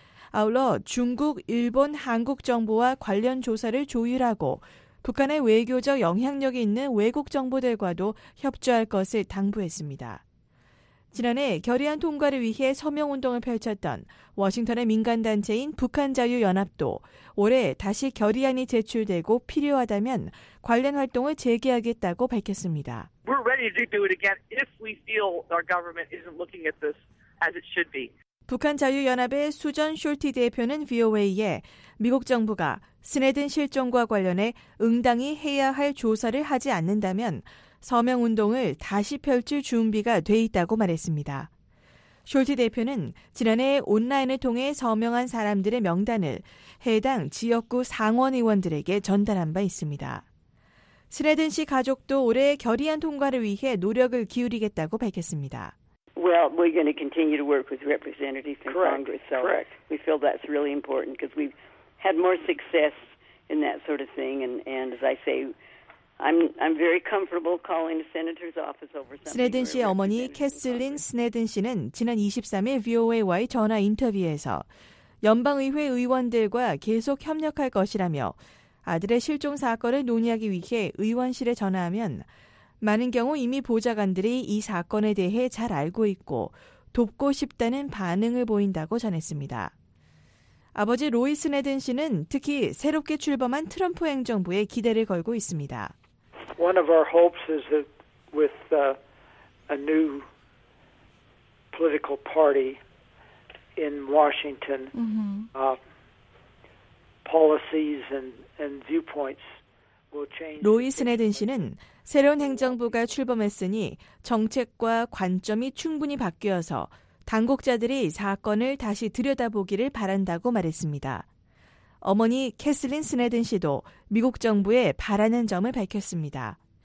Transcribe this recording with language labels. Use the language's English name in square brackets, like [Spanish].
[Korean] 아울러 중국, 일본, 한국 정부와 관련 조사를 조율하고 북한의 외교적 영향력이 있는 외국 정부들과도 협조할 것을 당부했습니다. 지난해 결의안 통과를 위해 서명운동을 펼쳤던 워싱턴의 민간단체인 북한자유연합도 올해 다시 결의안이 제출되고 필요하다면 관련 활동을 재개하겠다고 밝혔습니다. [English] We're ready to do it again if we feel our government isn't looking at this as it should be. [Korean] 북한자유연합의 수전 숄티 대표는 VOA에 미국 정부가 스네든 실종과 관련해 응당이 해야 할 조사를 하지 않는다면 서명운동을 다시 펼칠 준비가 돼 있다고 말했습니다. 숄티 대표는 지난해 온라인을 통해 서명한 사람들의 명단을 해당 지역구 상원 의원들에게 전달한 바 있습니다. 스네든 씨 가족도 올해 결의안 통과를 위해 노력을 기울이겠다고 밝혔습니다. [English] Well, we're going to continue to work with representatives in Congress. So we feel that's really important because we've had more success in that sort of thing. And as I say, I'm very comfortable calling the senator's office over something. [Korean] 스네든 씨의 어머니 캐슬린 스네든 씨는 지난 23일 VOA와의 전화 인터뷰에서 연방의회 의원들과 계속 협력할 것이라며 아들의 실종 사건을 논의하기 위해 의원실에 전화하면 많은 경우 이미 보좌관들이 이 사건에 대해 잘 알고 있고 돕고 싶다는 반응을 보인다고 전했습니다. 아버지 로이 스네든 씨는 특히 새롭게 출범한 트럼프 행정부에 기대를 걸고 있습니다. [English] One of our hopes is that with a new political party in Washington, policies and viewpoints will change. [Korean] 로이 스네든 씨는 새로운 행정부가 출범했으니 정책과 관점이 충분히 바뀌어서 당국자들이 사건을 다시 들여다보기를 바란다고 말했습니다. 어머니 캐슬린 스네든 씨도 미국 정부에 바라는 점을 밝혔습니다.